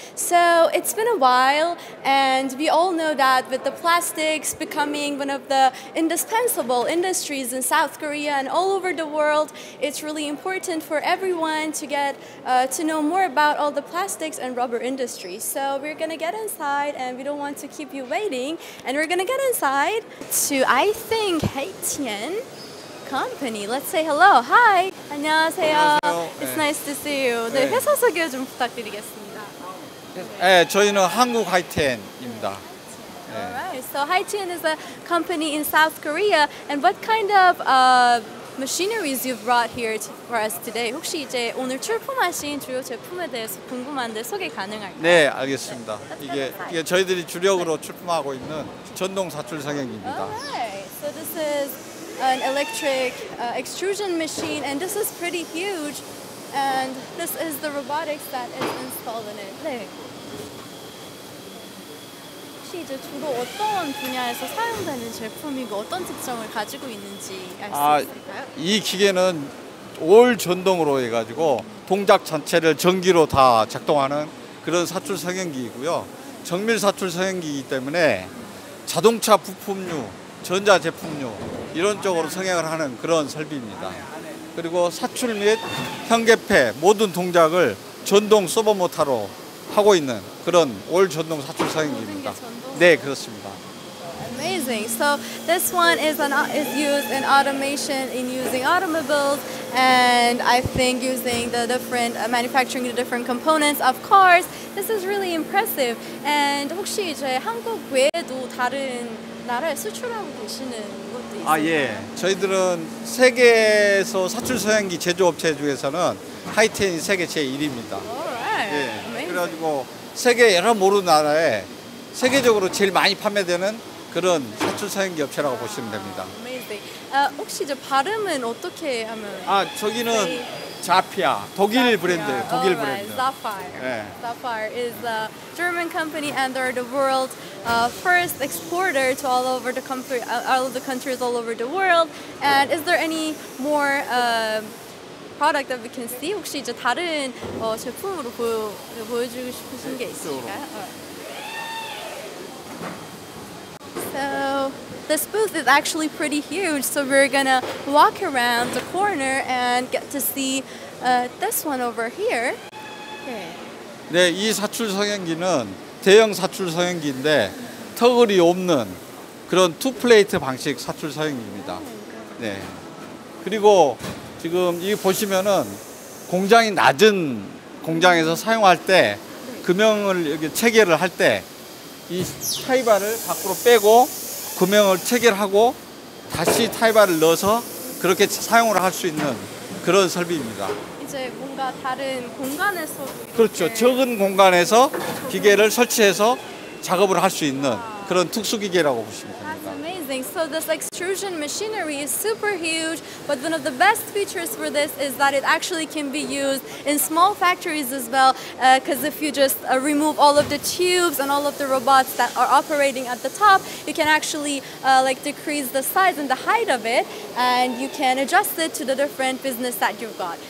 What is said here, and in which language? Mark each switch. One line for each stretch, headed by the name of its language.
English: So it's been a while, and we all know that with the plastics becoming one of the indispensable industries in South Korea and all over the world, it's really important for everyone to get to know more about all the plastics and rubber industry. So we're going to get inside, and we don't want to keep you waiting, and we're going to get inside to, I think, Haitian company. Let's say hello. Hi.
Korean: 안녕하세요.
English: It's nice to see you.
Korean: 네, 회사 소개 좀 부탁드리겠습니다. 네, 저희는 한국 하이텐입니다.
English: Alright, so Haitian is a company in South Korea, and what kind of machineries you've brought here for us today?
Korean: 혹시 이제 오늘 출품하신 주요 제품에 대해서 궁금한데 소개 가능할까요? 네, 알겠습니다. 네. 이게 저희들이 주력으로 출품하고 있는 전동사출성형기입니다.
English: Alright, so this is an electric extrusion machine, and this is pretty huge, and this is the robotics that is installed in it.
Korean: 네. 이제 주로 어떤 분야에서 사용되는 제품이고 어떤 특성을 가지고 있는지 알 수 있을까요? 이 기계는 올 전동으로 해가지고 동작 전체를 전기로 다 작동하는 그런 사출 성형기이고요. 정밀 사출 성형기이기 때문에 자동차 부품류, 전자 제품류 이런 쪽으로 성형을 하는 그런 설비입니다. 그리고 사출 및 형계패 모든 동작을 전동 서버 모터로 하고 있는 그런 올 전동 사출 성형기입니다. 네, 그렇습니다.
English: Amazing. So this one is used in automation in using automobiles, and I think using the different manufacturing the different components of cars. This is really impressive.
Korean: And 혹시 이제 한국 외에도 다른 나라에 수출하고 계시는 곳도 있어요? 아 예, 저희들은 세계에서 사출 성형기 제조업체 중에서는 하이텐이 세계 제1위입니다. 예, 그래가지고 세계 여러 모르는 나라에 세계적으로 제일 많이 판매되는 그런 사출 성형기 업체라고 보시면 됩니다. 아, 혹시 이제 발음은 어떻게 하면? 아 저기는 자피아, 독일 자피아. 브랜드예요. 독일
English: right.
Korean: 브랜드. Zafir. 네.
English: Zafir is a German company, and they're the world's first exporter to all over the country, all of the countries all over the world. And is there any more? Product that we can see.
Korean: 혹시 이제 다른 제품으로 보여주고 싶으신 게 있으신가요?
English: So this booth is actually pretty huge. So we're gonna walk around the corner and get to see this one over here.
Korean: 네, 이 사출 성형기는 대형 사출 성형기인데 터글이 없는 그런 투 플레이트 방식 사출 성형기입니다. 네, 그리고 지금 이 보시면은 공장이 낮은 공장에서 사용할 때 금형을 이렇게 체결을 할 때 이 타이바를 밖으로 빼고 금형을 체결하고 다시 타이바를 넣어서 그렇게 사용을 할 수 있는 그런 설비입니다. 이제 뭔가 다른 공간에서 그렇죠. 적은 공간에서 기계를 설치해서 작업을 할 수 있는 그런 특수 기계라고 보시면 됩니다.
English: So this extrusion machinery is super huge, but one of the best features for this is that it actually can be used in small factories as well, because if you just remove all of the tubes and all of the robots that are operating at the top, you can actually like decrease the size and the height of it, and you can adjust it to the different business that you've got.